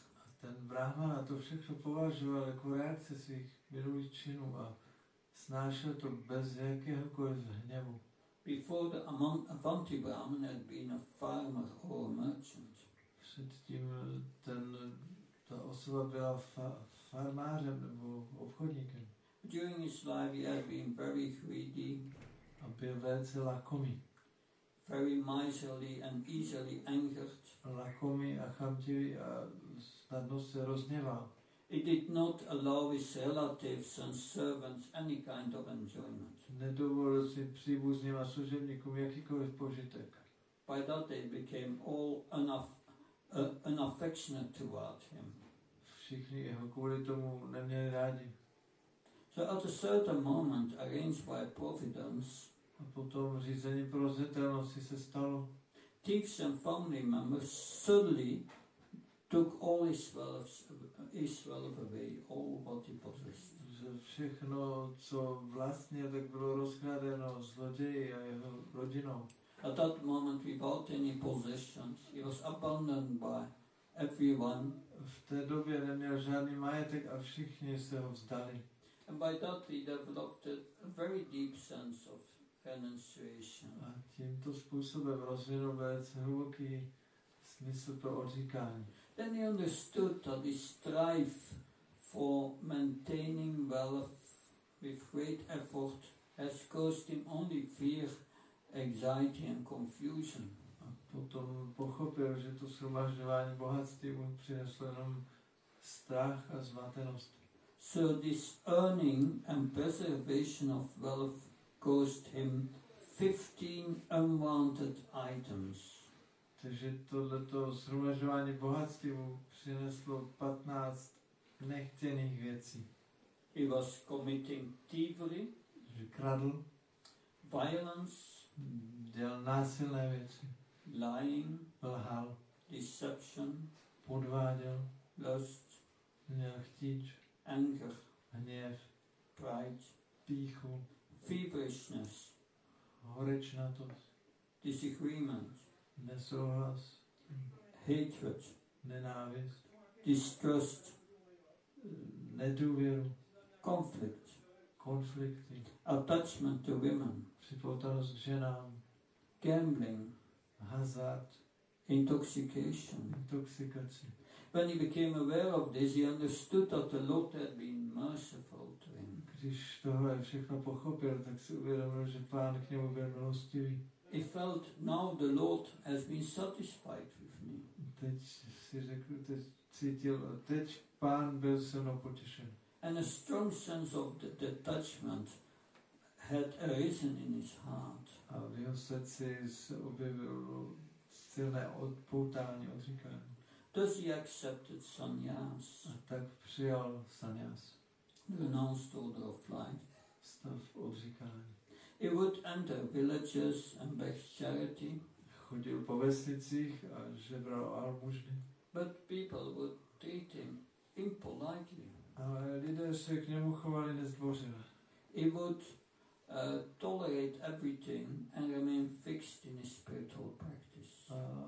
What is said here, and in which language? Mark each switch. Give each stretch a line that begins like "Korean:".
Czech: A ten Brahman to všechno považoval jako reakce svých minulých činů a snášel to bez jakéhokoliv hněvu.
English: Before the Avanti Brahman had been a farmer or a merchant.
Czech: Předtím ta osoba byla farmářem nebo obchodníkem.
English: During his life he had been very greedy.
Czech: A byl velice lakomý.
English: Very miserly and easily angered.
Czech: Lakomý a chamtivý a snadno se rozhněval.
English: He did not allow his relatives and servants any kind of enjoyment.
Czech: Nedovolil si příbuzným a služebníkům jakýkoliv požitek.
English: By that they became all enough. An affectionate toward him.
Czech: Všichni jeho kvůli tomu neměli rádi.
English: So at a certain moment, arranged by providence,
Czech: a potom řízení prozřetelnosti se stalo.
English: Thieves and family members suddenly took all his wealth away, all what he possessed.
Czech: Všechno, co vlastně, tak bylo rozkradeno zloději a jeho rodinou.
English: At that moment, without any possessions, he was abandoned by everyone.
Czech: V té době neměl žádný majetek a všichni se ho vzdali.
English: And by that he developed a very deep sense of renunciation.
Czech: A tímto způsobem rozvinul velice hluboký smysl pro odříkání.
English: Then he understood that his strife for maintaining wealth with great effort has caused him only fear, anxiety and confusion.
Czech: A potom pochopil, že to shromažďování bohatství mu přineslo jenom strach a zmatenost.
English: So this earning and preservation of wealth cost him 15 unwanted items.
Czech: Takže tohleto shromažďování bohatství mu přineslo 15 nechtěných věcí.
English: He was committing thievery,
Czech: že kradl,
English: violence,
Czech: dělal násilné věci,
English: lying,
Czech: lhal,
English: deception,
Czech: podváděl,
English: lust,
Czech: měl chtíč,
English: anger,
Czech: hněv,
English: pride,
Czech: píchu,
English: feverishness,
Czech: horečnatost,
English: disagreement,
Czech: nesouhlas,
English: hatred,
Czech: nenávist,
English: distrust,
Czech: nedůvěru,
English: conflict,
Czech: konflikty,
English: attachment to women,
Czech: připoutanost k ženám,
English: gambling,
Czech: hazard,
English: intoxication,
Czech: intoxikace.
English: When he became aware of this, he understood that the Lord had been merciful to him.
Czech: Když tohle všechno pochopil, tak si uvědomil, že Pán k němu byl milostivý.
English: He felt now the Lord has been satisfied with me.
Czech: Teď si řekl, teď cítil, teď Pán byl se mnou potěšen.
English: And a strong sense of the detachment had arisen in his heart.
Czech: A v jeho srdci se objevilo silné odpoutání, odříkání.
English: Thus he accepted sannyas.
Czech: A tak přijal sannyas.
English: The renounced order of life.
Czech: Stav odříkání.
English: He would enter villages and beg charity.
Czech: Chodil po vesnicích a žebral almužny.
English: But people would treat him impolitely.
Czech: Ale lidé se k němu chovali nezdvořile.
English: He would tolerate everything and remain fixed in his spiritual practice.